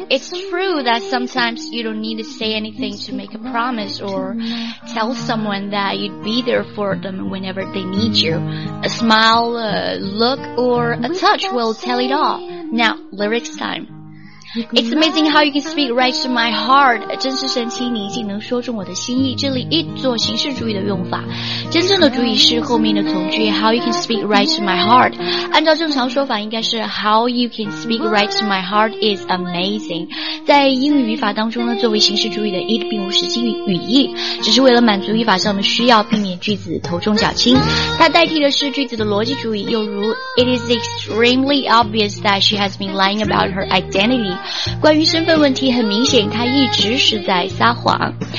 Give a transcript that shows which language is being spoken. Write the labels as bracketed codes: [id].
[en] It's true that sometimes you don't need to say anything to make a promise or tell someone that you'd be there for them whenever they need you. A smile, a look, or a touch will tell it all. Now, lyrics time. It's amazing how you can speak right to my heart. [zh] 真是神奇，你已经能说中我的心意。这里 it 做形式主义的用法，真正的主语是后面的从句 [en] how you can speak right to my heart. [zh] 按照正常说法应该是 [en] how you can speak right to my heart is amazing. [zh] 在英语语法当中呢，作为形式主语的 it 并无实际语义，只是为了满足语法上的需要，避免句子头重脚轻。它代替的是句子的逻辑主语，又如 [en] it is extremely obvious that she has been lying about her identity. [zh] 关于身份问题，很明显他一直是在撒谎。